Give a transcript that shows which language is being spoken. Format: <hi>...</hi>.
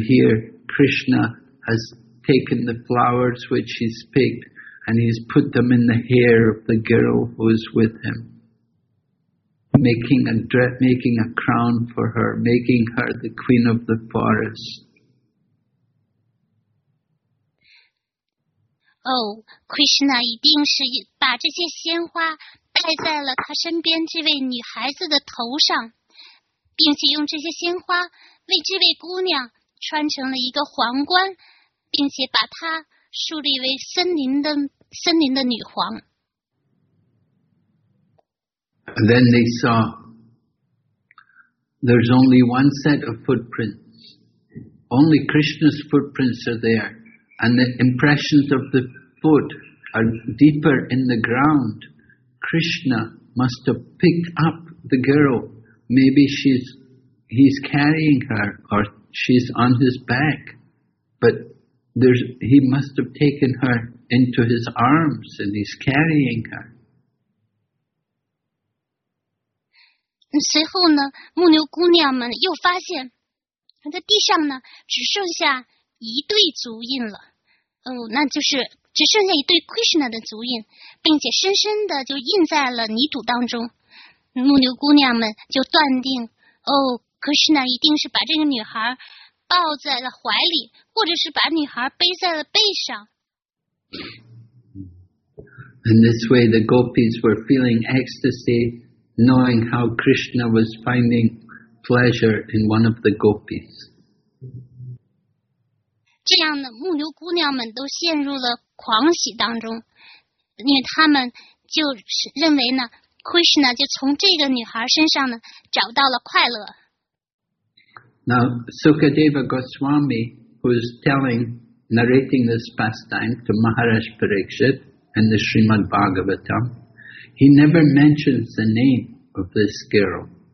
<en>here Krishna has taken the flowers which he's picked, and he's put them in the hair of the girl who is with him, making a crown for her, making her the queen of the forest.</en> <zh>Krishna 一定是把这些鲜花戴在了他身边这位女孩子的头上，并且用这些鲜花为这位姑娘穿成了一个皇冠。</zh> <en>Then they saw There's only one set of footprints. Only Krishna's footprints are there. And the impressions of the foot are deeper in the ground. Krishna must have picked up the girl. Maybe he's carrying her or she's on his back. But he must have taken her into his arms and he's carrying her.</en> <zh>随后呢，牧牛姑娘们又发现，在地上呢只剩下一对足印了。哦，那就是只剩下一对 Krishna 的足印，并且深深的就印在了泥土当中。牧牛姑娘们就断定，哦， Krishna 一定是把这个女孩抱在了怀里，或者是把女孩背在了背上。</zh> <en>In this way, the gopis were feeling ecstasy. Knowing how Krishna was finding pleasure in one of the gopis.</en> <zh>这样的牧牛姑娘们都陷入了狂喜当中，因为她们就认为呢 ，Krishna 就从这个女孩身上呢找到了快乐。</zh> <en>Now Sukadeva Goswami, who is narrating this pastime to Maharaj Parikshit in the Srimad Bhagavatam. He never mentions the name of this girl.</en>